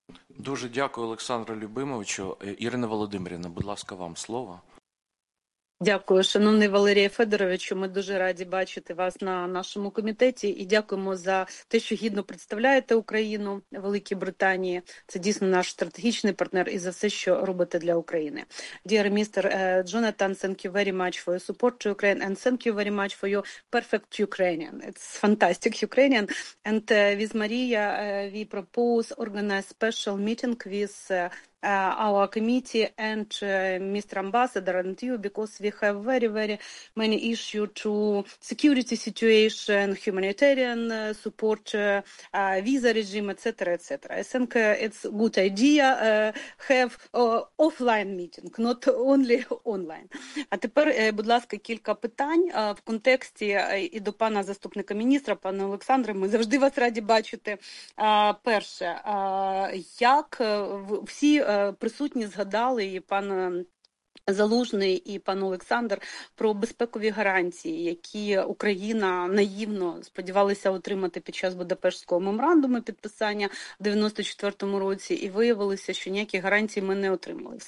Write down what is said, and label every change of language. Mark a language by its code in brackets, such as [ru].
[uk] Дуже дякую, Олександре Любимовичу. Ірина Володимирівна, будь ласка, вам слово. Дякую, шановний Валерію Федоровичу, ми дуже раді бачити вас на нашому комітеті і дякуємо за те, що гідно представляєте Україну, Великій Британії. Це дійсно наш стратегічний партнер і за все, що робите для України. [en] Dear Mr. Jonathan, thank you very much for your support to Ukraine and thank you very much for your perfect Ukrainian. It's fantastic Ukrainian. And with Maria, we propose organize special meeting with our committee and Mr. Ambassador and you, because we have very, very many issues to security situation, humanitarian support, visa regime, etc., etc. I think it's a good idea to have offline meeting, not only online. [uk] А тепер, будь ласка, кілька питань в контексті і до пана заступника міністра, пана Олександра, ми завжди вас раді бачити. Перше, як всі присутні згадали і пан Залужний, і пан Олександр про безпекові гарантії, які Україна наївно сподівалася отримати під час Будапештського меморандуму підписання в 94-му році, і виявилося, що ніякі гарантії ми не отримали.